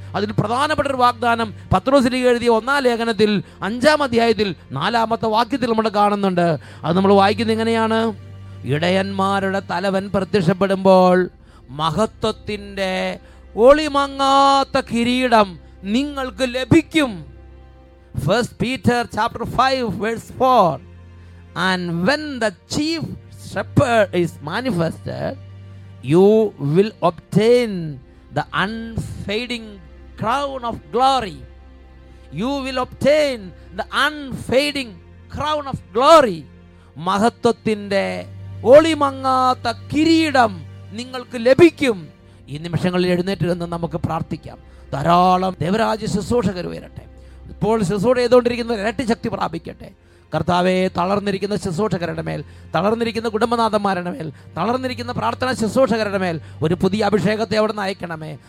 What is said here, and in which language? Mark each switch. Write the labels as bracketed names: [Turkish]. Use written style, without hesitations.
[Malayalam] അതിൽ പ്രധാനപ്പെട്ട ഒരു വാഗ്ദാനം പത്രോസ് ലീഗ എഴുതിയ 1:5-4 നമ്മൾ കാണുന്നുണ്ട്. അത് നമ്മൾ വായിക്കുന്നത് ഇങ്ങനെയാണ്, ഇടയന്മാരുടെ തലവൻ പ്രത്യക്ഷപ്പെടുമ്പോൾ മഹത്വത്തിൻ്റെ ഒളിമങ്ങാത്ത കിരീടം നിങ്ങൾക്ക് ലഭിക്കും. [English] First Peter chapter 5 verse 4. And when the chief shepherd is manifested, you will obtain the unfading crown of glory. You will obtain the unfading crown of glory. [Malayalam] മഹത്വത്തിന്റെ ഒളിമങ്ങാത്ത കിരീടം നിങ്ങൾക്ക് ലഭിക്കും. ഈ നിമിഷങ്ങളിൽ എഴുന്നേറ്റിരുന്ന് നമുക്ക് പ്രാർത്ഥിക്കാം. ധാരാളം ദേവരാജ്യ ശുശ്രൂഷകർ വരട്ടെ. ഇപ്പോൾ ശുശ്രൂഷ ചെയ്തുകൊണ്ടിരിക്കുന്ന ഇരട്ടി ശക്തി പ്രാപിക്കട്ടെ. കർത്താവെ, തളർന്നിരിക്കുന്ന ശുശ്രൂഷകരുടെ മേൽ, തളർന്നിരിക്കുന്ന കുടുംബനാഥന്മാരുടെ മേൽ, തളർന്നിരിക്കുന്ന പ്രാർത്ഥന ശുശ്രൂഷകരുടെ മേൽ ഒരു പുതിയ അഭിഷേകത്തെ അവിടെ അയക്കണമേ.